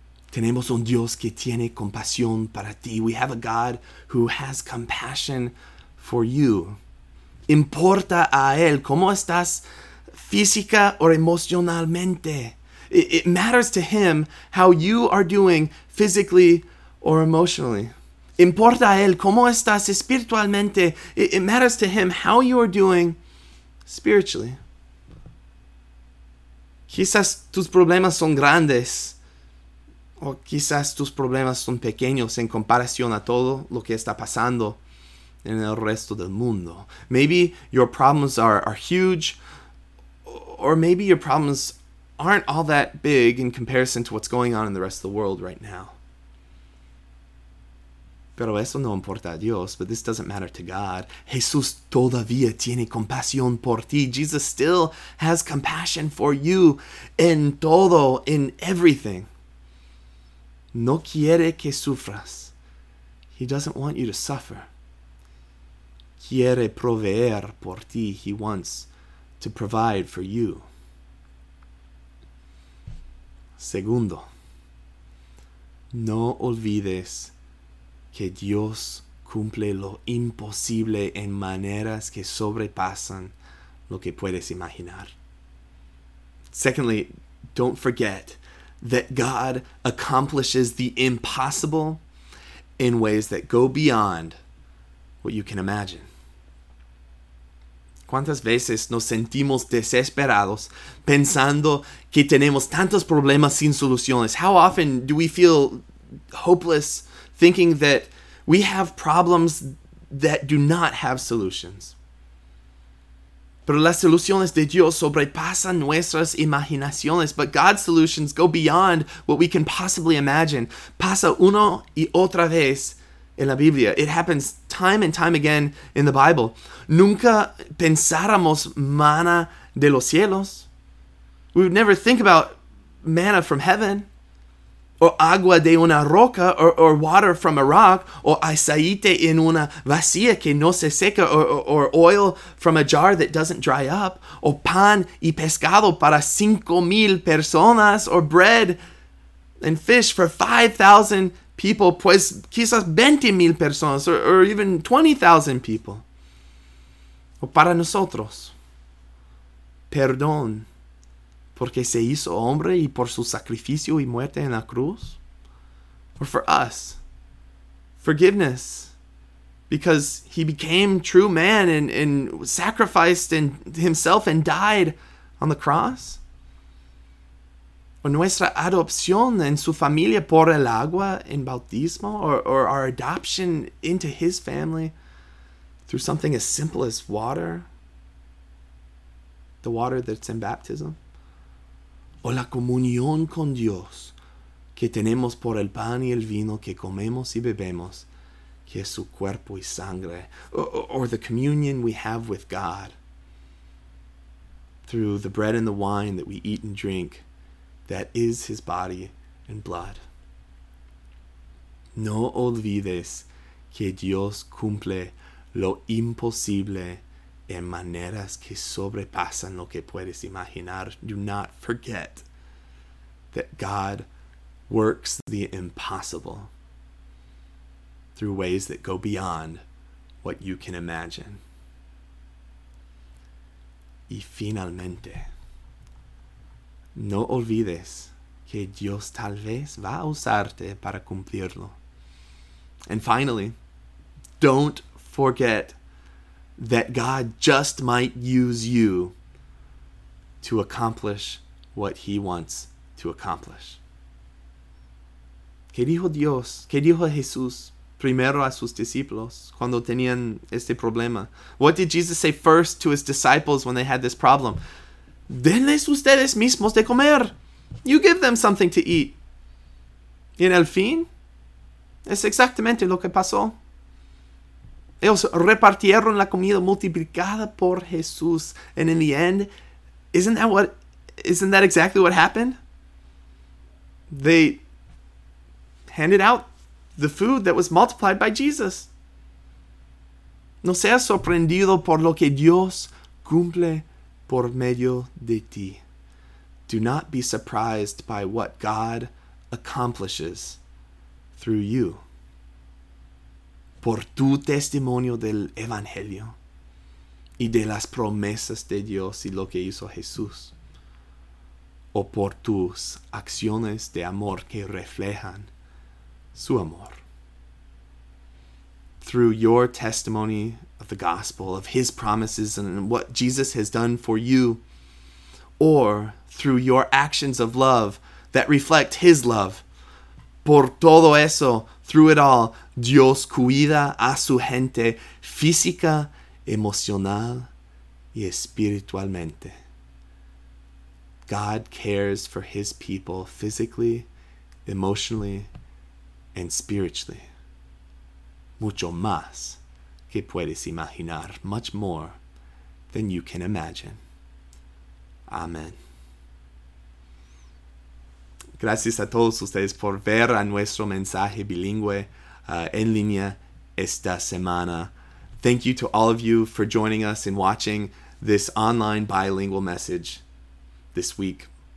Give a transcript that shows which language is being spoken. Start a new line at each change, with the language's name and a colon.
Spanish: Tenemos un Dios que tiene compasión para ti.
English: We have a God who has compassion for you.
Spanish: Importa a él cómo estás física o emocionalmente.
English: It matters to him how you are doing physically or emotionally.
Spanish: Importa a él cómo estás espiritualmente.
English: It matters to him how you are doing spiritually.
Spanish: Quizás tus problemas son grandes, o quizás tus problemas son pequeños en comparación a todo lo que está pasando en el resto del mundo.
English: Maybe your problems are huge, or maybe your problems aren't all that big in comparison to what's going on in the rest of the world right now.
Spanish: Pero eso no importa a Dios,
English: but this doesn't matter to God.
Spanish: Jesús todavía tiene compasión por ti.
English: Jesus still has compassion for you
Spanish: en todo,
English: in everything.
Spanish: No quiere que sufras.
English: He doesn't want you to suffer.
Spanish: Quiere proveer por ti.
English: He wants to provide for you.
Spanish: Segundo, no olvides que Dios cumple lo imposible en maneras que sobrepasan lo que puedes imaginar.
English: Secondly, don't forget that God accomplishes the impossible in ways that go beyond what you can imagine.
Spanish: ¿Cuántas veces nos sentimos desesperados pensando que tenemos tantos problemas sin soluciones?
English: How often do we feel hopeless thinking that we have problems that do not have solutions?
Spanish: Pero las soluciones de Dios sobrepasan nuestras imaginaciones,
English: but God's solutions go beyond what we can possibly imagine.
Spanish: Pasa uno y otra vez en la Biblia.
English: It happens time and time again in the Bible.
Spanish: Nunca pensáramos manna de los cielos.
English: We would never think about manna from heaven, or
Spanish: agua de una roca,
English: or water from a rock, or
Spanish: aceite en una vasija que no se seca,
English: or oil from a jar that doesn't dry up, or
Spanish: pan y pescado para 5,000 personas,
English: or bread and fish for 5,000 people,
Spanish: pues quizás 20,000 personas,
English: or even 20,000 people.
Spanish: O para nosotros, perdón, porque se hizo hombre y por su sacrificio y muerte en la cruz.
English: Or for us, forgiveness, because he became true man and sacrificed in himself and died on the cross.
Spanish: O nuestra adopción en su familia por el agua en bautismo,
English: or our adoption into his family through something as simple as water, the water that's in baptism.
Spanish: O la comunión con Dios que tenemos por el pan y el vino que comemos y bebemos, que es su cuerpo y sangre.
English: Or the communion we have with God through the bread and the wine that we eat and drink, that is his body and blood.
Spanish: No olvides que Dios cumple lo imposible en maneras que sobrepasan lo que puedes imaginar.
English: Do not forget that God works the impossible through ways that go beyond what you can imagine.
Spanish: Y finalmente, no olvides que que Dios tal vez va a usarte para cumplirlo.
English: And finally, don't forget that God just might use you to accomplish what he wants to accomplish.
Spanish: ¿Qué dijo Dios? ¿Qué dijo Jesús primero a sus discípulos cuando tenían este problema?
English: What did Jesus say first to his disciples when they had this problem?
Spanish: Denles ustedes mismos de comer.
English: You give them something to eat.
Spanish: Y en el fin, es exactamente lo que pasó. Ellos repartieron la comida multiplicada por Jesús.
English: And in the end, isn't that exactly what happened? They handed out the food that was multiplied by Jesus.
Spanish: No seas sorprendido por lo que Dios cumple por medio de ti.
English: Do not be surprised by what God accomplishes through you.
Spanish: Por tu testimonio del Evangelio y de las promesas de Dios y lo que hizo Jesús. O por tus acciones de amor que reflejan su amor.
English: Through your testimony of the gospel, of his promises and what Jesus has done for you, or through your actions of love that reflect his love.
Spanish: Por todo eso,
English: through it all,
Spanish: Dios cuida a su gente física, emocional, y espiritualmente.
English: God cares for his people physically, emotionally, and spiritually.
Spanish: Mucho más que puedes imaginar,
English: much more than you can imagine. Amén.
Spanish: Gracias a todos ustedes por ver a nuestro mensaje bilingüe en línea esta semana.
English: Thank you to all of you for joining us and watching this online bilingual message this week.